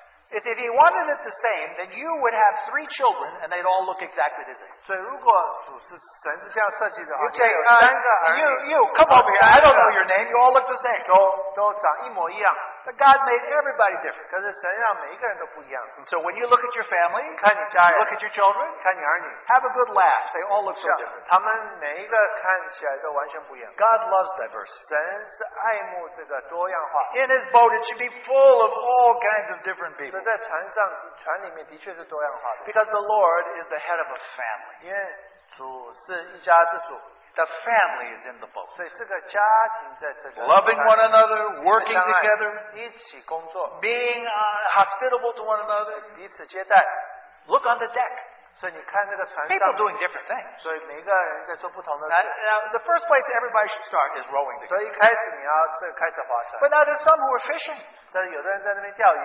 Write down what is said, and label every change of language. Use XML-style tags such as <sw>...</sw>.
<en>It's if He wanted it the same, then you would have three children, and they'd all look exactly the same.</en> <zh>所以如果主是神是这样设计的，而且有三个儿女。</zh> <en>You come over here. I don't know your name. You all look the same.</en> <zh>都长一模一样。</zh> <en>But God made everybody different.</en> <zh>可是神让每一个人都不一样。</zh> <en>So when you look at your family,</en> <zh>看你家人,</zh> <en>look at your children,</en> <zh>看你儿女,</zh> <en>have a good laugh. They all look so different.</en> <zh>他们每一个看起来都完全不一样。</zh> <en>God loves diversity.</en> <zh>神是爱慕这个多样化。</zh> <en>In His boat, it should be full of all kinds of different people.</en> <zh>所以在船上, 船里面的确是多样化的。</zh> <en>Because the Lord is the head of a family.</en> <zh>因为主是一家之主。</zh> <en>The family is in the boat.</en> <zh>所以这个家庭在这个,</zh> <en>loving one another, working together,</en> <zh>一起工作,</zh> <en>being hospitable to one another,</en> <zh>彼此接待,</zh> <en>look on the deck.</en> <zh>所以你看那个船上,</zh> <en>people doing different things.</en> <zh>所以每个人在做不同的事。</zh> <en>The first place everybody should start is rowing together.</en> <zh>所以一开始你要开始划船。</zh> <en>But now there's some who are fishing.</en> <zh>但是有的人在那边钓鱼,</zh>